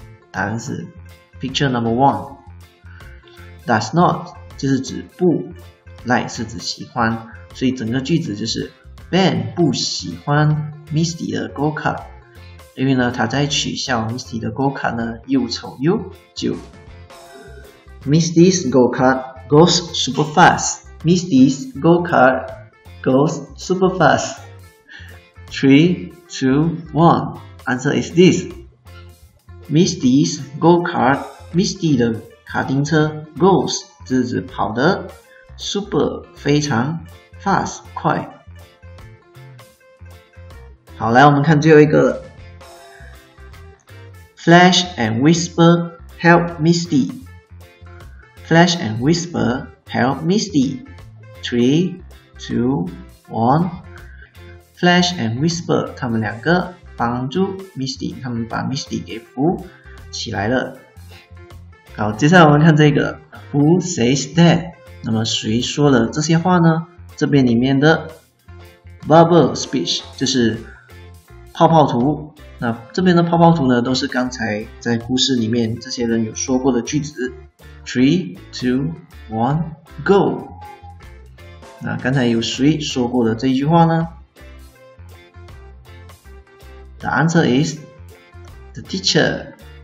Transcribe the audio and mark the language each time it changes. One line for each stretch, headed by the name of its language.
Chinese: 答案是
English: picture number 1。
Chinese: Does not 就是指不， like 是指喜欢，所以整个句子就是 Ben 不喜欢 Misty 的 go-kart， 因为呢他在取笑 Misty 的 go-kart 呢又丑又旧。
English: Misty's go-kart goes super fast。 Misty's go-kart goes super fast。 3, 2, 1。 Answer is this。 Misty's go-kart，
Chinese: Misty 的卡丁车 goes 就是跑得 super 非常 fast 快。好，来我们看最后一个了。
English: Flash and whisper help Misty. Flash and whisper help Misty. 3, 2, 1.
Chinese: Flash and whisper 他们两个帮助 Misty， 他们把 Misty 给扶起来了。好，接下来我们看这个
English: Who says that？
Chinese: 那么谁说了这些话呢？这边里面的 bubble speech 就是泡泡图。那这边的泡泡图呢，都是刚才在故事里面这些人有说过的句子。
English: Three, two, one, go。
Chinese: 那刚才有谁说过的这句话呢？
English: The answer is the teacher.